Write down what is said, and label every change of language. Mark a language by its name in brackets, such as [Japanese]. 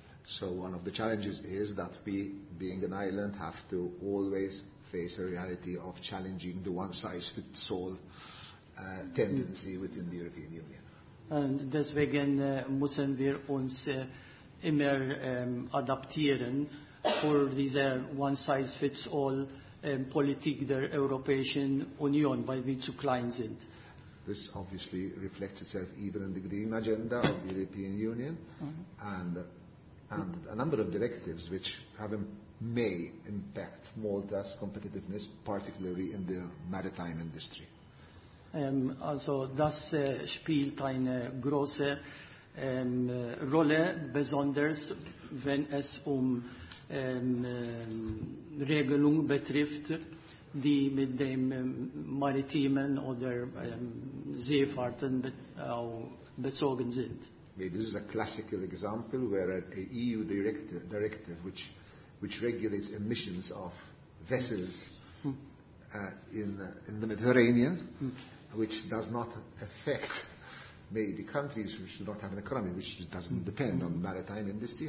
[English] So one of the challenges is that we, being an island, have to always face a reality of challenging the one-size-fits-all tendency within the European Union. [German] Und deswegen müssen wir uns immer adaptieren für diese one-size-fits-all Politik der Europäischen Union, weil wir zu klein sind. [English] This obviously reflects itself even in the Green Agenda of the European Union and a number of directives which may impact Malta's competitiveness, particularly in the maritime industry. [German] Also das spielt eine große Rolle, besonders wenn es Regelung betrifft, die mit dem Maritimen oder Seefahrten bezogen sind. [English] Maybe this is a classical example where an EU directive which regulates emissions of vessels in the Mediterranean, which does not affect maybe countries which do not have an economy, which doesn't depend on maritime industry.